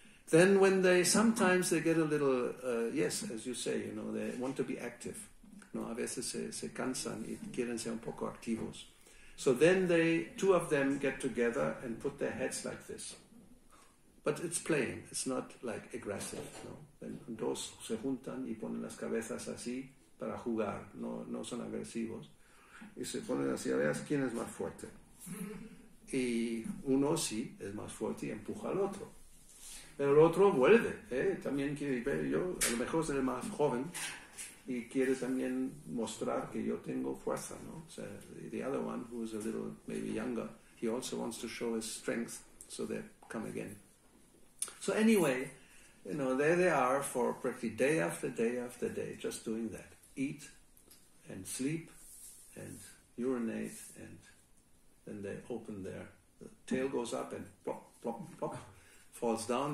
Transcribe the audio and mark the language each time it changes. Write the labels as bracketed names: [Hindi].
[English] Then when they sometimes they get a little yes, as you say, you know, they want to be active. [Spanish] No, a veces se cansan y quieren ser un poco activos. [English] So then they 2 of them get together and put their heads like this. But it's playing. It's not like aggressive. No, [Spanish] dos se juntan y ponen las cabezas así para jugar, no, no son agresivos, y se ponen así a ver quién es más fuerte. Y uno sí es más fuerte y empuja al otro. Pero el otro vuelve, ¿eh? También quiere ver, yo a lo mejor es el más joven y quiere también mostrar que yo tengo fuerza, ¿no? [English] O sea, the other one who is a little maybe younger, he also wants to show his strength, so they come again. So anyway, you know, there they are for practically day after day after day, just doing that. Eat and sleep and urinate, and then they open their, the tail goes up and plop, plop, plop, falls down.